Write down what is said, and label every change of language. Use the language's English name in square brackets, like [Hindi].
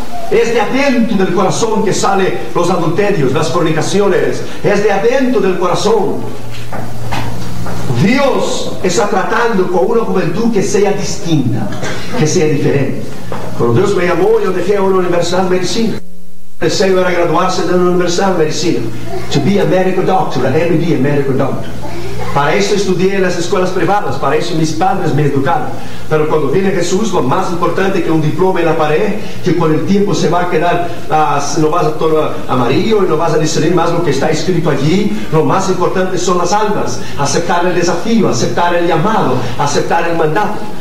[Spanish] Es de adentro del corazón que sale los adulterios, las fornicaciones. Es de adentro del corazón. Dios está tratando con una juventud que sea distinta, que sea diferente. Cuando Dios me llamó, yo dejé a una universidad de medicina. El deseo era graduarse de una universidad de medicina. [English] To be a medical doctor, an MD, a medical doctor. [Spanish] Para eso estudié en las escuelas privadas, para eso mis padres me educaron. Pero cuando viene Jesús, lo más importante que un diploma en la pared, que con el tiempo se va a quedar, no vas a tomar amarillo y no vas a discernir más lo que está escrito allí, lo más importante son las almas, aceptar el desafío, aceptar el llamado, aceptar el mandato.